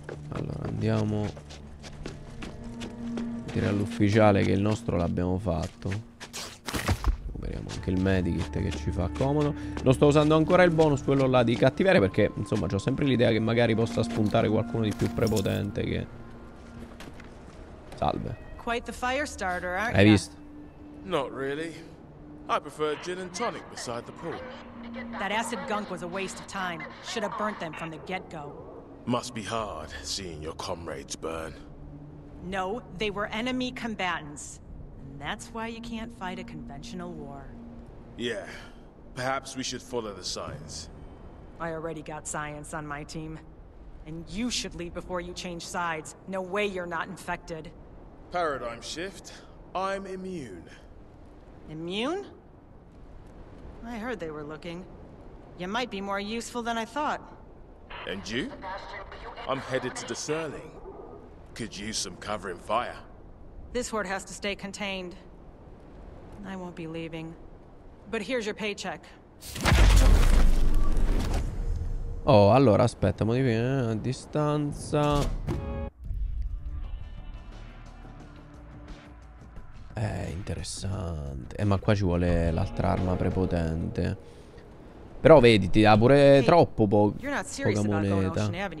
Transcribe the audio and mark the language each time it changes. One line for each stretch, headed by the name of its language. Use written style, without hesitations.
Italian: Allora andiamo a dire all'ufficiale che il nostro l'abbiamo fatto. Recuperiamo anche il medikit che ci fa comodo. Non sto usando ancora il bonus quello là di cattiveria, perché insomma c'ho sempre l'idea che magari possa spuntare qualcuno di più prepotente che... Salve.
English: Quite the fire starter, aren't you?
Italian: Hai visto?
English: Not really. I prefer gin and tonic beside the pool. That acid gunk was a waste of time. Should have burnt them from the get-go. Must be hard seeing your comrades burn. No, they were enemy combatants. And that's why you can't fight a conventional war. Yeah. Perhaps we should follow the science. I already got science on my team. And you should leave before you change sides. No way you're not infected. Paradigm shift. I'm immune. Immune? I heard they were looking. You might be more useful than I thought. And you? I'm headed to the Serling. Could use some covering fire. This horde has to stay contained. I won't be leaving. But here's your paycheck.
Italian: Oh, allora, aspetta, modifica a distanza. Interessante. Ma qua ci vuole l'altra arma prepotente. Però vedi, ti dà pure troppo poca moneta.